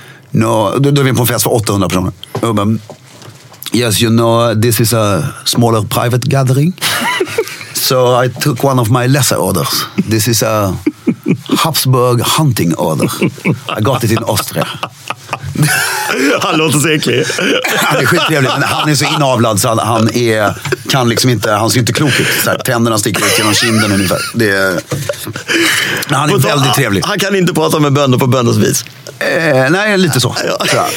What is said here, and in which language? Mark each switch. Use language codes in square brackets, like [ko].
[sv] No, då är vi på en fest för 800 personer. [en] Men, yes, you know, this is a smaller private gathering. So I took one of my lesser orders. This is a Habsburg hunting order. I got it in Austria. [sv] Han låter så äcklig. Han är skittrevlig, men han är så inavlad så han är kan liksom inte, han ser inte klok ut. Så här, tänderna sticker ut genom kinden ungefär. Det är, men han är och väldigt trevlig. Han kan inte prata med bönder på bönders vis. Nej, lite så. Ja.